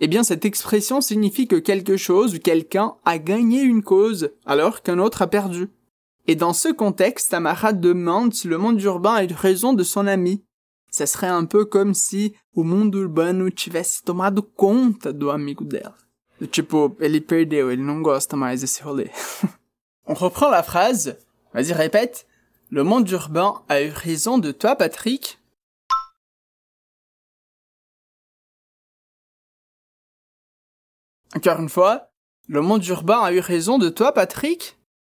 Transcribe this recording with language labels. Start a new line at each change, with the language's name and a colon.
French: Eh bien, cette expression signifie que quelque chose ou quelqu'un a gagné une cause alors qu'un autre a perdu. Et dans ce contexte, Tamara demande si le monde urbain a eu raison de son ami. Ça serait un peu comme si
Portuguese: « o mundo urbano tivesse tomado conta do amigo dela ». Du tipo « ele perdeu, ele não gosta mais desse rolê ».
French: On reprend la phrase. Vas-y, répète. « Le monde urbain a eu raison de toi, Patrick ». Encore une fois, le monde urbain a eu raison de toi, Patrick?